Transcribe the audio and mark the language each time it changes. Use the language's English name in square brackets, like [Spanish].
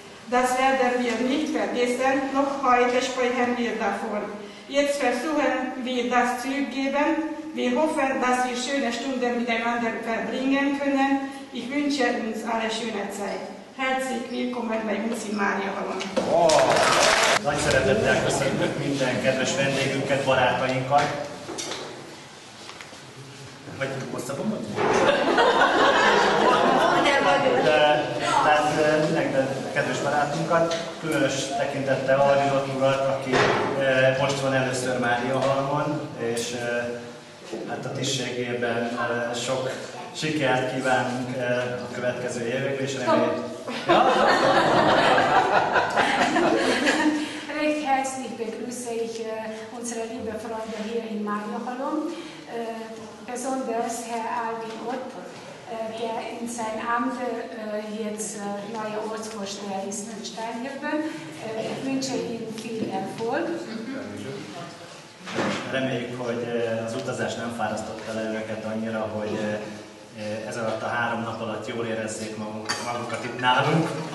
[German] Das werden wir nicht vergessen, noch heute sprechen wir davon. Jetzt versuchen wir das zurückzugeben. Wir hoffen, dass wir schöne Stunden miteinander verbringen können. Ich wünsche uns alle schöne Zeit. Herzlich willkommen bei uns in Magdeburg. [Hungarian] Nagy szeretettel köszöntök minden kedves vendégünket, barátainkat. Vagy hosszabban mondjuk? Tehát mindenkinek kedves barátunkat, különös tekintettel Arjú Attilát, aki most van először Mária-halmon, és hát a tisztségében sok sikert kívánunk a következő évekre, és remélem. [German] Recht herzlich begrüße ich unsere liebe Freunde hier in Mariahalom, besonders Herr Alvin Ott, der in sein Amt jetzt neuer Ortsvorsteher ist in Steinhirben. Ich wünsche Ihnen viel Erfolg. [Hungarian] Reméljük, hogy az utazás nem fárasztotta le őket annyira, hogy ez alatt a három nap alatt jól érezzék magukat itt nálunk.